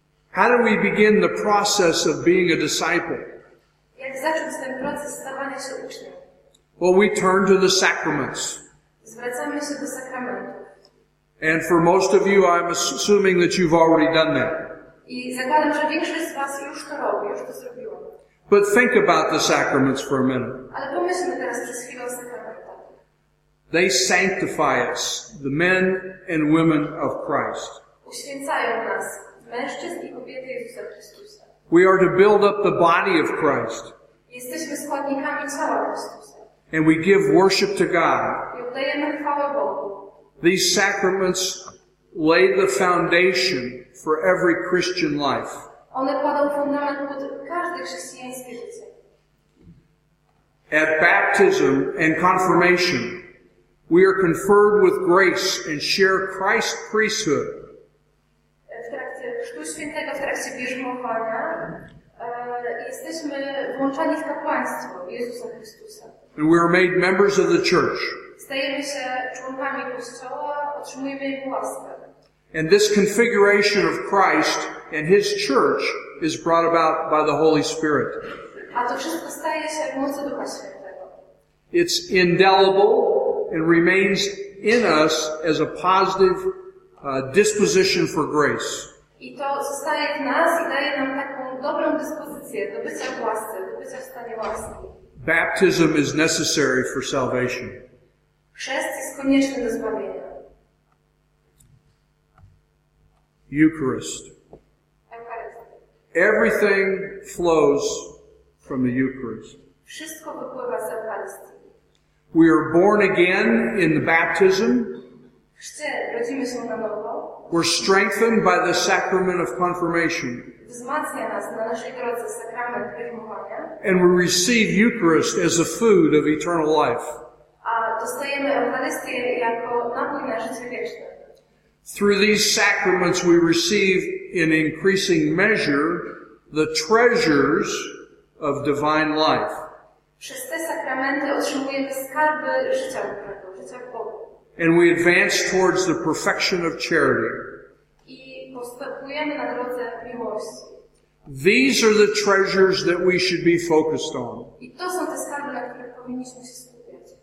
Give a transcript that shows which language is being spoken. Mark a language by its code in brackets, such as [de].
[en] How do we begin the process of being a disciple? [pl] Jak zacząć ten proces stawania się uczniem? [en] Well, we turn to the sacraments. [pl] Zwracamy się do sakramentów. [en] And for most of you, I'm assuming that you've already done that. [pl] I zakładam, że większość z was już to robi, już to zrobiło. [en] But think about the sacraments for a minute. [pl] Ale pomyślmy teraz przez chwilę o sakramentach. [en] They sanctify us, the men and women of Christ. [pl] Uświęcają nas, mężczyzn i kobiety Jezusa Chrystusa. [en] We are to build up the body of Christ. [pl] Jesteśmy składnikami ciała Chrystusa. [en] And we give worship to God. [pl] I oddajemy chwałę Bogu. [en] These sacraments lay the foundation for every Christian life. [pl] One kładą fundament pod każde chrześcijańskie życie. [en] At baptism and confirmation, we are conferred with grace and share Christ's priesthood. [pl] W trakcie Chrztu Świętego, w trakcie bierzmowania, jesteśmy włączani w kapłaństwo Jezusa Chrystusa. [en] And we are made members of the church. [pl] Stajemy się członkami Kościoła, otrzymujemy Jego łaskę. [en] And this configuration of Christ and His church is brought about by the Holy Spirit. [pl] A to wszystko staje się w mocy Ducha Świętego. [en] It's indelible and remains in us as a positive disposition for grace. [pl] I to zostaje w nas i daje nam taką dobrą dyspozycję do bycia w łasce, do bycia w stanie łaski. [en] Baptism is necessary for salvation. [pl] Chrzest jest konieczny do zbawienia. [en] Eucharist. Everything flows from the Eucharist. [pl] Wszystko wypływa z Eucharystii. [en] We are born again in the baptism. [pl] Rodzimy się na nowo. [en] We're strengthened by the sacrament of confirmation. [pl] Wzmacnia nas na naszej drodze sakrament bierzmowania. [en] And we receive Eucharist as a food of eternal life. [pl] A dostajemy Eucharystię jako napój na życie wieczne. [en] Through these sacraments we receive in increasing measure the treasures of divine life. [pl] Przez te sakramenty otrzymujemy skarby życia wiecznego. [en] And we advance towards the perfection of charity. [pl] I postępujemy na drodze miłości. [en] These are the treasures that we should be focused on. [pl] I to są te skarby, na których powinniśmy się skupiać.